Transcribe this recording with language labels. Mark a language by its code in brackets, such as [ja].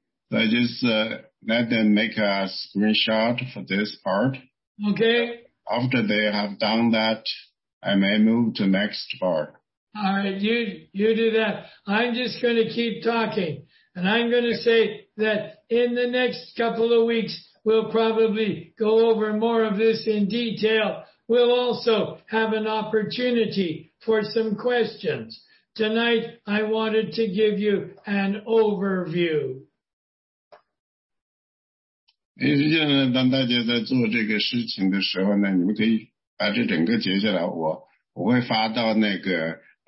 [zh] 这个是第一段，如果你们想要做截图呢，现在可以把它截下来。如果截好了以后呢，我可以把第二段再给大家看一下。你们如果截好图了，就告诉我一下。 [en] So just let them make a screenshot for this part. Okay. After they have done that, I may move to next part. All right, you do that. I'm just going to keep talking. And I'm going to say that in the next couple of weeks, we'll probably go over more of this in detail. We'll also have an opportunity for some questions. Tonight, I wanted to give you an overview. [zh] 实际上呢，当大家在做这个事情的时候呢，你们可以把这整个截下来，我会发到那个。